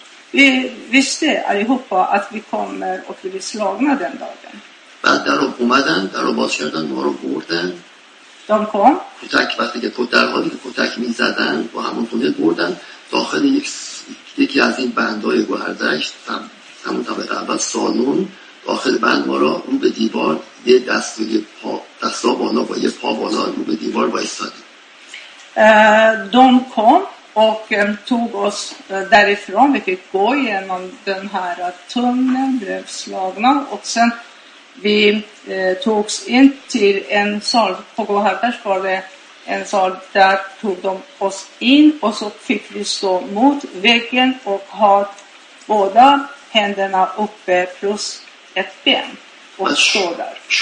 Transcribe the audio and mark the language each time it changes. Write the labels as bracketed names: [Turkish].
[Swedish] Vi visste allihopa att vi kommer och blir slagna den dagen. [Persian] بعد در رو اومدن در رو باز کردن ما رو بردن [Swedish] de kom. [Persian] کتک وقتی که درهایی که کتک می زدن با همون تونل بردن داخل یکی از این بندهای گوهردشت همون طبقه اول سالون داخل بند ما را رو به دیوار یه دست و یه پا دستا بالا با یه پا بالا رو به دیوار بایستادیم. [Swedish] دون کم och tog oss därifrån. Vi fick gå igenom den här tunneln, blev slagna och sen vi togs in till en sal. På Gåhärdars var det en sal, där tog de oss in och så fick vi stå mot väggen och ha båda händerna uppe plus ett ben och stå där.